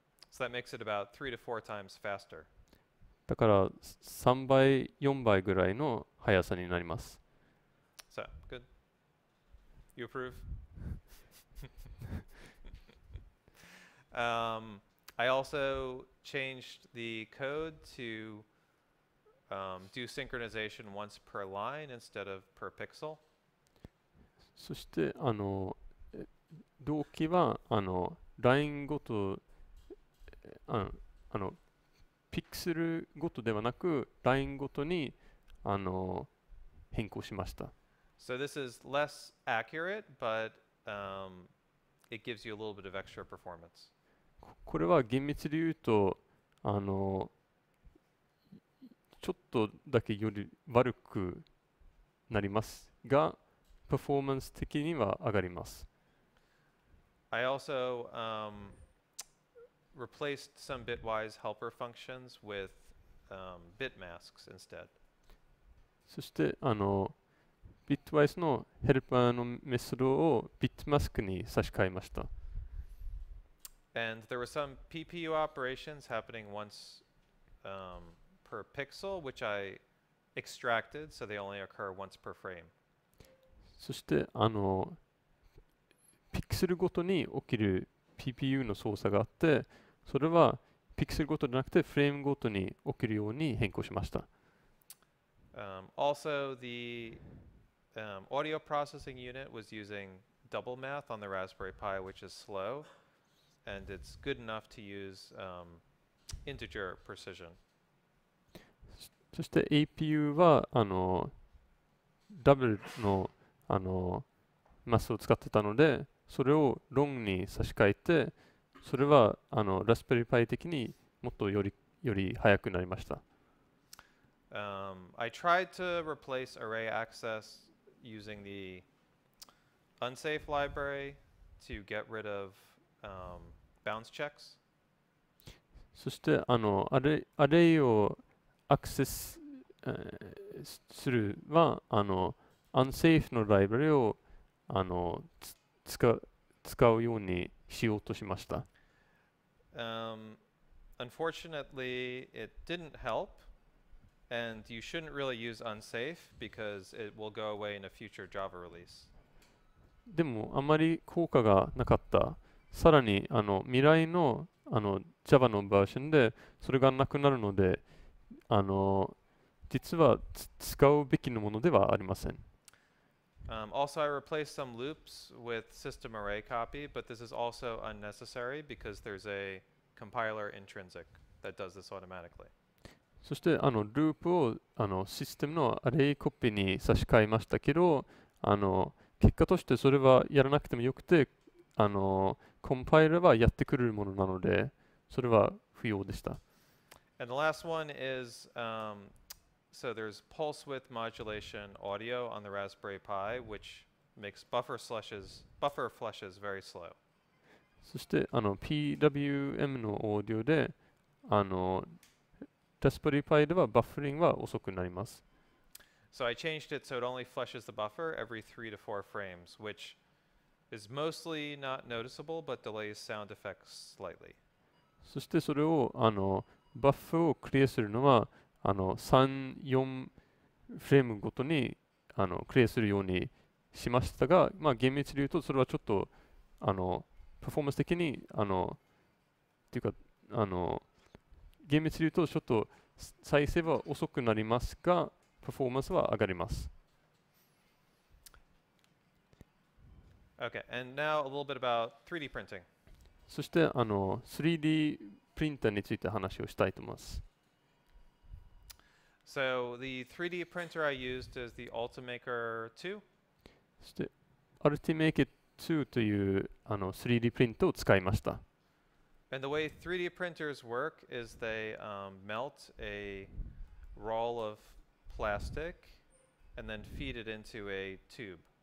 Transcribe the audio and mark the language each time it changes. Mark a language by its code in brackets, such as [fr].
[en] So that makes it about 3 to 4 times faster. [ja] だから3倍、4倍ぐらいの速さになります。 [en] So, good. You approve? I also changed the code to do synchronization once per line instead of per pixel. [ja] そしてあの動機はあのラインごとあのピクセルごとではなくラインごとにあの変更しました。 [en] So this is less accurate, but it gives you a little bit of extra performance. [ja] これは厳密で言うとあのちょっとだけより悪くなりますが、パフォーマンス的には上がります。 [en] I also replaced some bitwise helper functions with bit masks instead. [ja] そしてあの bitwise のヘルパーのメソッドを bit mask に差し替えました。 [en] And there were some PPU operations happening once per pixel, which I extracted, so they only occur once per frame. [ja] そしてあのピクセルごとに起きる PPU の操作があって。それはピクセルごとでなくてフレームごとに起きるように変更しました。 [en] Also, the audio processing unit was using double math on the Raspberry Pi, which is slow, and it's good enough to use integer precision. [ja] そして APU はあのダブルのあのマスを使ってたので、それをロングに差し替えて。それはあのラスベリーパイ的にもっとより速くなりました。 [en] I tried to replace array access using the unsafe library to get rid of bounce checks. [ja] そしてあのアレイをアクセス、するはあの unsafe のライブラリをあの使うようにしようとしました。 [en] Unfortunately, it didn't help, and you shouldn't really use unsafe because it will go away in a future Java release. [ja] でもあまり効果がなかった。さらにあの未来のあの Java のバージョンでそれがなくなるので、あの、実は使うべきのものではありません。 [en] Also, I replaced some loops with system array copy, but this is also unnecessary because there's a compiler intrinsic that does this automatically. [ja] そして、あの、ループを、あの、システムのアレイコピーに差し替えましたけど、あの、結果としてそれはやらなくてもよくて、あの、コンパイラーはやってくれるものなので、それは不要でした。 [en] And the last one is, so there's pulse width modulation audio on the Raspberry Pi, which makes buffer flushes very slow. [ja] そして、あの、PWM のオーディオで、あの、Raspberry Pi ではバッファリングは遅くなります。 [en] So I changed it so it only flushes the buffer every 3 to 4 frames, which is mostly not noticeable, but delays sound effects slightly. [ja] そしてそれを、あの、バッファをクリアするのは、あの、3、4フレームごとに、あの、クリアするようにしましたが、まあ、厳密に言うとそれはちょっと、あの、パフォーマンス的に、あの、っていうか、あの、厳密に言うとちょっと再生は遅くなりますが、パフォーマンスは上がります。 [en] Okay, and now a little bit about 3D printing. [ja] そして、あの、3D プリンターについて話をしたいと思います。 [en] So, the 3D printer I used is the Ultimaker 2? [ja] そして、Ultimaker 2という、あの、3D プリンターを使いました。 [en] And the way 3D printers work is they melt a roll of plastic and then feed it into a tube.